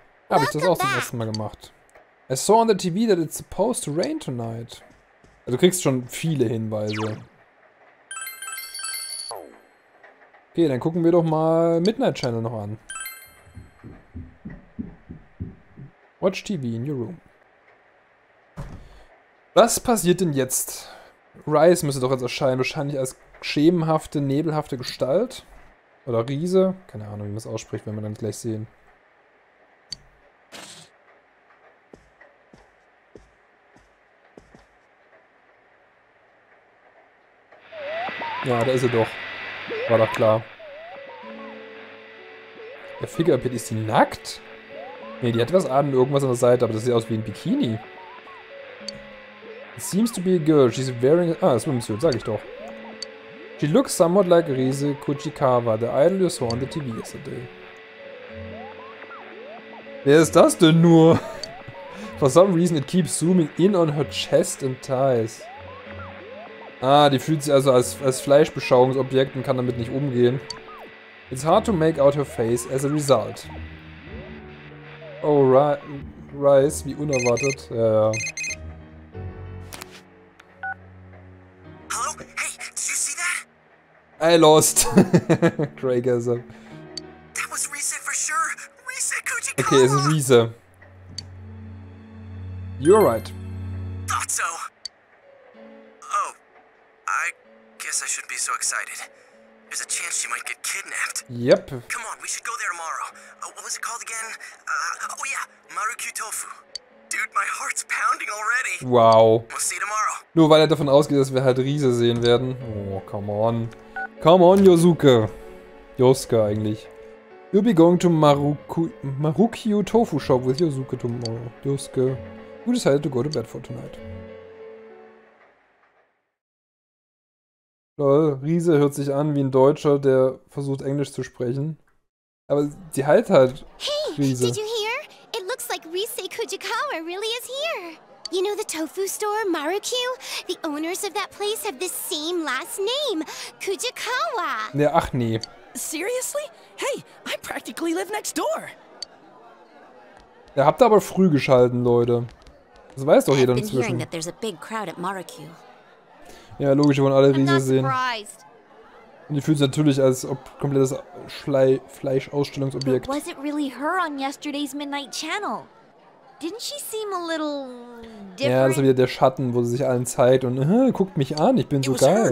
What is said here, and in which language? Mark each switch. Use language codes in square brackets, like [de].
[de] Habe ich das auch zum ersten Mal gemacht. [en] I saw on the TV that it's supposed to rain tonight. [de] Also du kriegst schon viele Hinweise. Okay, dann gucken wir doch mal Midnight Channel noch an. [en] Watch TV in your room. [de] Was passiert denn jetzt? Rise müsste doch jetzt erscheinen, wahrscheinlich als schemenhafte, nebelhafte Gestalt. Oder Riese. Keine Ahnung, wie man es ausspricht, wenn wir dann gleich sehen. Ja, da ist er doch. War doch klar. Der Figurepit, ist die nackt? Ne, die hat was an, irgendwas an der Seite, aber das sieht aus wie ein Bikini. [en] It seems to be a girl. She's wearing... [de] Ah, das ist ein Mission, sag ich doch. [en] She looks somewhat like Rise Kuchikawa, the idol you saw on the TV yesterday. [de] Wer ist das denn nur? [en] For some reason it keeps zooming in on her chest and thighs. [de] Ah, die fühlt sich also als Fleischbeschauungsobjekt und kann damit nicht umgehen. [en] It's hard to make out her face as a result. [de] Oh, Rise, wie unerwartet. Ja. [en] Hallo? Hey, did you see that? I lost. Craig is up. That was Rise for sure. Rise Kuchikawa. [de] Okay, es ist Rise. [en] You're right. Thought so. Oh, I guess I shouldn't be so excited. There's a chance she might get kidnapped. Yep. Come on, we should go there tomorrow. What was it called again? Oh yeah, Marukyu Tofu. Dude, my heart's pounding already. Wow. We'll see you tomorrow. [de] Nur weil er davon ausgeht, dass wir halt Riese sehen werden. [en] Oh, come on. Come on, Yosuke. Yosuke eigentlich. You'll be going to Marukyu Tofu Shop with Yosuke tomorrow. Yosuke. We decided to go to bed for tonight. [de] Lol, Riese hört sich an wie ein Deutscher, der versucht Englisch zu sprechen. Aber sie heilt halt Riese. [en] Hey, did you hear? It looks like Rise Kuchikawa really is here. You know the tofu store, Marukyu? The owners of that place have the same last name, Kuchikawa. [de] Ja, ach nee. [en] Seriously? Hey, I practically live next door. [de] Ja, habt ihr aber früh geschalten, Leute. Das weiß doch jeder inzwischen. [en] I've been hearing that there's a big crowd at Marukyu. [de] Ja, logisch, wir wollen alle Riese sehen. Und die fühlt sich natürlich als ob komplettes Fleischausstellungsobjekt. [en] Was it really her on yesterday's Midnight Channel? Didn't she seem a little different? [de] Ja, das ist wieder der Schatten, wo sie sich allen zeigt und guckt mich an, ich bin so geil.